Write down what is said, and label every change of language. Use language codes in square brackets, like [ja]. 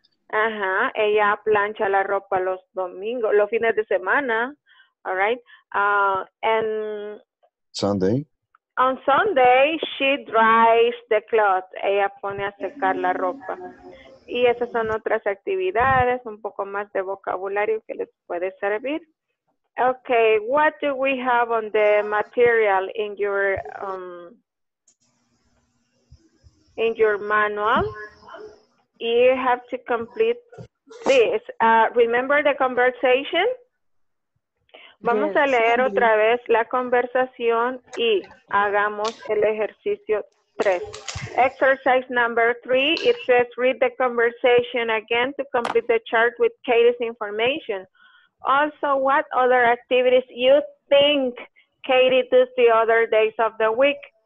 [es] Ajá, ella plancha la ropa los domingos, los fines de semana, [en] all right? And Sunday. On Sunday she dries the clothes. [es] Ella pone a secar la ropa. Y esas son otras actividades, un poco más de vocabulario que les puede servir. [en] Okay, what do we have on the material in your manual? You have to complete this. Remember the conversation? [es] Vamos a leer otra vez la conversación y hagamos el ejercicio 3. [en] Exercise number 3, it says read the conversation again to complete the chart with Katie's information. Also, what other activities you think Katie does the other days of the week?